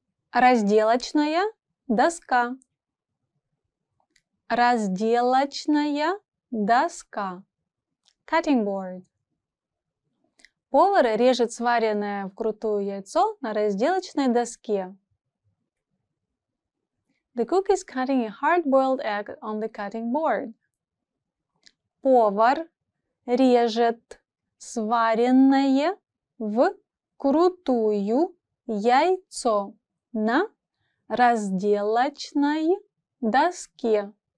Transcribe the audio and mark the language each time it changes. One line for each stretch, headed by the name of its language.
Russian: Разделочная доска. Разделочная доска.
English: Cutting board.
Russian: Повар режет сваренное вкрутую яйцо на разделочной доске.
English: The cook is cutting a hard-boiled egg on the cutting board.
Russian: Повар режет сваренное вкрутую яйцо на разделочной доске.